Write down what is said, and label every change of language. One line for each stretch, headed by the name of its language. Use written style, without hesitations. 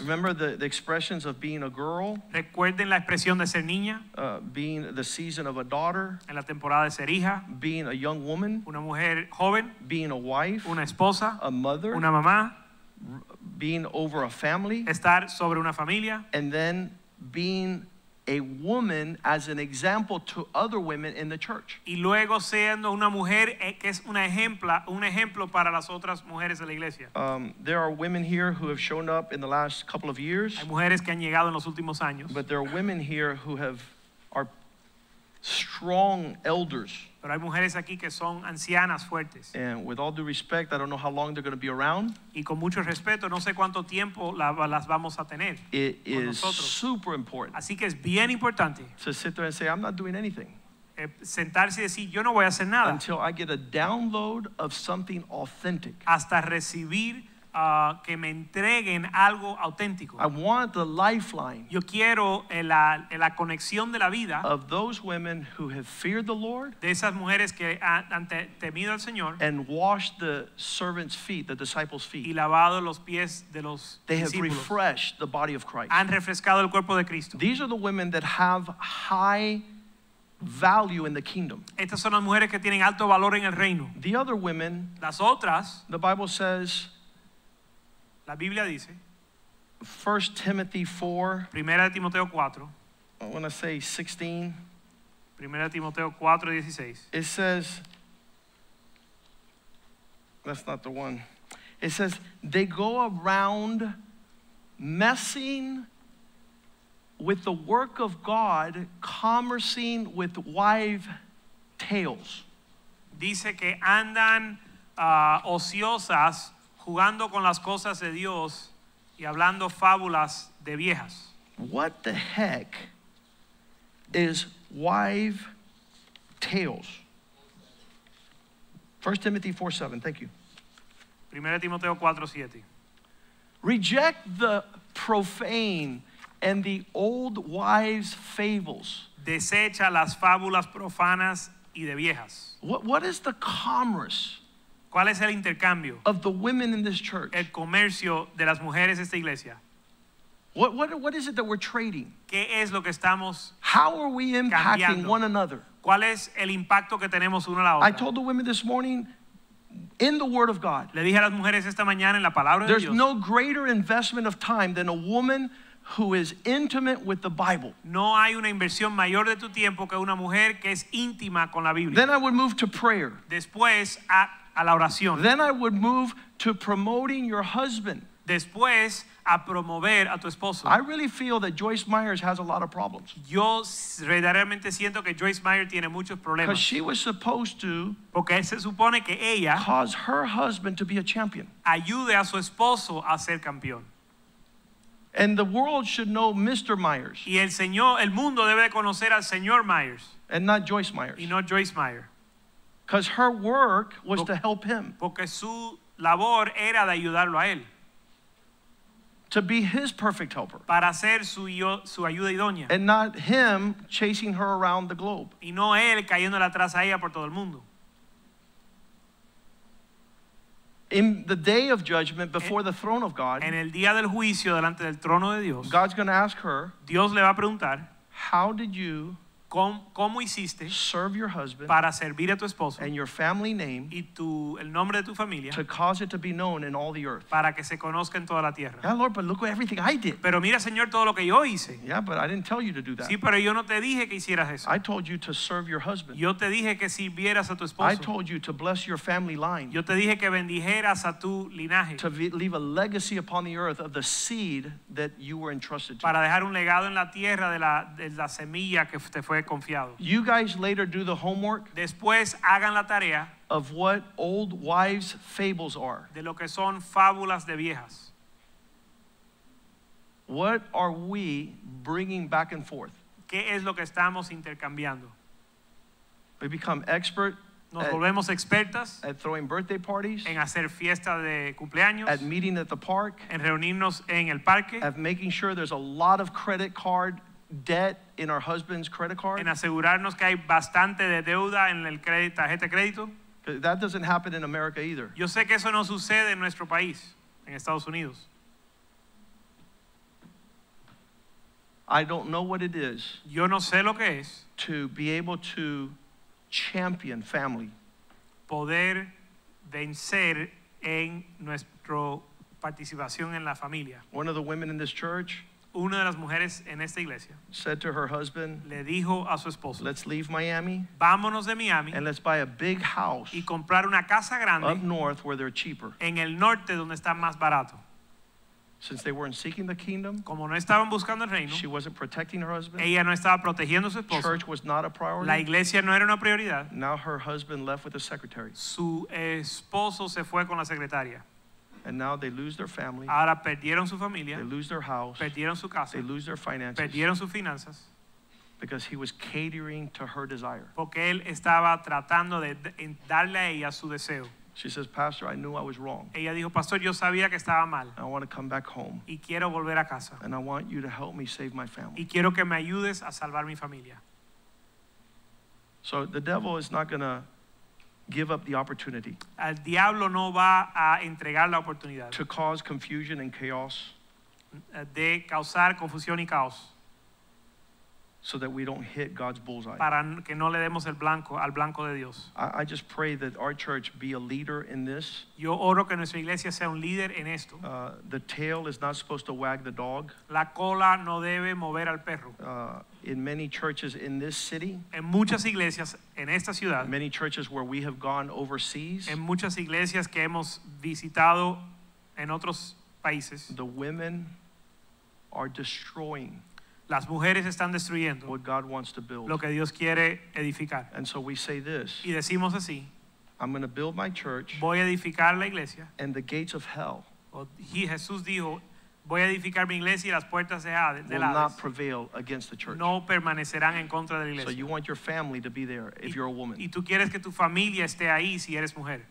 English: Remember the expressions of being a girl.
Spanish: Recuerden la expresión de ser niña.
English: Being the season of a daughter.
Spanish: La temporada de ser hija,
English: being a young woman,
Spanish: una mujer joven,
English: being a wife,
Spanish: una esposa,
English: a mother,
Spanish: una mamá,
English: being over a family,
Spanish: estar sobre una familia,
English: and then being a woman as an example to other women in the church.
Spanish: Y luego siendo una mujer que es un ejemplo para las otras mujeres de la iglesia.
English: There are women here who have shown up in the last couple of years.
Spanish: Hay mujeres que han llegado en los últimos años.
English: But there are women here who are strong elders.
Spanish: Pero hay mujeres aquí que son ancianas fuertes.
English: And with all due respect, I don't know how long they're going to be around.
Spanish: Y con mucho respeto, no sé cuánto tiempo las vamos a tener.
English: It is super important.
Spanish: Así que es bien importante.
English: To sit there and say, I'm not doing anything.
Spanish: Sentarse y decir, yo no voy a hacer nada.
English: Until I get a download of something authentic.
Spanish: Hasta recibir que me entreguen algo auténtico.
English: I want the lifeline.
Spanish: Yo quiero la conexión de la vida.
English: Of those women who have feared the Lord.
Spanish: De esas mujeres que han temido al Señor.
English: And washed the servants' feet, the disciples' feet.
Spanish: Y lavado los pies de los discípulos.
English: They have refreshed the body of Christ.
Spanish: Han refrescado el cuerpo de Cristo.
English: These are the women that have high value in the kingdom.
Spanish: Estas son las mujeres que tienen alto valor en el reino.
English: The other women.
Spanish: Las otras.
English: The Bible says.
Spanish: La Biblia dice,
English: 1 Timothy 4,
Spanish: Primera de Timoteo 4,
English: I want to say 16,
Spanish: Primera de Timoteo 4, 16.
English: It says, that's not the one. It says, they go around messing with the work of God, conversing with wives' tales.
Spanish: Dice que andan ociosas, jugando con las cosas de Dios y hablando fábulas de viejas.
English: What the heck is wife tales? 1 Timothy 4:7, thank you.
Spanish: 1 Timoteo 4:7.
English: Reject the profane and the old wives' fables.
Spanish: Desecha las fábulas profanas y de viejas.
English: What is the commerce?
Spanish: ¿Cuál es el intercambio?
English: Of the women in this church.
Spanish: El comercio de las mujeres de esta iglesia.
English: What is it that we're trading?
Spanish: ¿Qué es lo que estamos cambiando?
English: How are we impacting one another?
Spanish: ¿Cuál es el impacto que tenemos uno a la otra?
English: I told the women this morning in the word of God.
Spanish: Le dije a las mujeres esta mañana en la palabra de Dios.
English: There's no greater investment of time than a woman who is intimate with the Bible.
Spanish: No hay una inversión mayor de tu tiempo que una mujer que es íntima con la Biblia.
English: Then I would move to prayer.
Spanish: Después a la oración.
English: Then I would move to promoting your husband.
Spanish: Después a promover a tu esposo.
English: I really feel that Joyce Meyer has a lot of problems.
Spanish: Yo realmente siento que Joyce Meyer tiene muchos problemas.
English: Because she was supposed to,
Spanish: porque se supone que ella,
English: cause her husband to be a champion.
Spanish: Ayude a su esposo a ser campeón.
English: And the world should know Mr. Myers.
Spanish: Y el mundo debe conocer al señor Myers.
English: And not Joyce Meyer.
Spanish: Y no Joyce Meyer.
English: Because her work was to help him.
Spanish: Porque su labor era de ayudarlo a él.
English: To be his perfect helper.
Spanish: Para ser su ayuda idónea.
English: And not him chasing her around the globe.
Spanish: Y no él cayéndole atrás a ella por todo el mundo.
English: In the day of judgment before the throne of God.
Spanish: En el día del juicio delante del trono de Dios.
English: God's going to ask her.
Spanish: Dios le va a preguntar.
English: How did you
Spanish: ¿Cómo hiciste
English: serve your husband
Spanish: para servir a tu esposo
English: and your family name
Spanish: y el nombre de tu familia
English: to cause it to be known in all the earth?
Spanish: Para que se conozca en toda la tierra.
English: Yeah, Lord, but look at everything I did.
Spanish: Pero mira, Señor, todo lo que yo hice.
English: Yeah, but I didn't tell you to do that.
Spanish: Sí, pero yo no te dije que hicieras eso.
English: I told you to serve your husband.
Spanish: Yo te dije que sirvieras a tu esposo.
English: I told you to bless your family line.
Spanish: Yo te dije que bendijeras a tu linaje.
English: To leave a legacy upon the earth of the seed that you were entrusted to.
Spanish: Para dejar un legado en la tierra de la semilla que te fue confiado.
English: You guys later do the homework.
Spanish: Después hagan la tarea
English: of what old wives' fables are.
Spanish: De lo que son fábulas de viejas.
English: What are we bringing back and forth?
Spanish: ¿Qué es lo que estamos intercambiando?
English: We become expert.
Spanish: Nos volvemos expertas
English: at throwing birthday parties,
Spanish: en hacer fiesta de cumpleaños,
English: at meeting at the park,
Spanish: en reunirnos en el parque,
English: at making sure there's a lot of credit card debt in our husband's credit card,
Spanish: en asegurarnos que hay bastante de deuda en el crédito, tarjeta de crédito.
English: That doesn't happen in America either.
Spanish: Yo sé que eso no sucede en nuestro país, en Estados Unidos.
English: I don't know what it is.
Spanish: Yo no sé lo que es
English: to be able to champion family.
Spanish: Poder vencer en nuestra participación en la familia.
English: One of the women in this church,
Spanish: una de las mujeres en esta iglesia,
English: said to her husband,
Spanish: le dijo a su esposo,
English: let's leave Miami,
Spanish: vámonos de Miami,
English: and let's buy a big house,
Spanish: y comprar una casa grande,
English: up north where they're cheaper,
Spanish: en el norte donde está más barato.
English: Since they weren't seeking the kingdom,
Spanish: como no estaban buscando el reino,
English: she wasn't protecting her husband,
Spanish: ella no estaba protegiendo a su esposo,
English: church was not a priority,
Spanish: la iglesia no era una prioridad.
English: Now her husband left with the secretary.
Spanish: Su esposo se fue con la secretaria.
English: And now they lose their family.
Spanish: Ahora perdieron su familia.
English: They lose their house.
Spanish: Perdieron su casa.
English: They lose their finances.
Spanish: Perdieron sus finanzas.
English: Because he was catering to her desire.
Spanish: Porque él estaba tratando de darle a ella su deseo.
English: She says, Pastor, I knew I was wrong.
Spanish: Ella dijo, Pastor, yo sabía que estaba mal.
English: I want to come back home.
Spanish: Y quiero volver a casa.
English: And I want you to help me save my family.
Spanish: Y quiero que me ayudes a salvar mi familia.
English: So the devil is not going to give up the opportunity.
Spanish: El diablo no va a entregar la oportunidad.
English: To cause confusion and chaos.
Spanish: De causar confusión y caos.
English: So that we don't hit God's bullseye.
Spanish: Para que no le demos el blanco al blanco de Dios.
English: I just pray that our church be a leader in this.
Spanish: Yo oro que nuestra iglesia sea un líder en esto.
English: The tail is not supposed to wag the dog.
Spanish: La cola no debe mover al perro.
English: In many churches in this city,
Spanish: en muchas iglesias en esta ciudad,
English: many churches where we have gone overseas,
Spanish: en muchas iglesias que hemos visitado en otros países,
English: the women are destroying.
Spanish: Las mujeres están destruyendo
English: what God wants to build.
Spanish: Lo que Dios quiere edificar.
English: And so we say this,
Spanish: y decimos así,
English: I'm going to build my church,
Spanish: voy a edificar la iglesia,
English: and the gates of hell,
Spanish: Jesús dijo, voy a edificar mi iglesia y las puertas de Hades,
English: will not prevail against the church.
Spanish: No permanecerán en contra de la iglesia.
English: So you want your family to be there if you're a woman.
Spanish: Y tú quieres que tu familia esté ahí si eres mujer.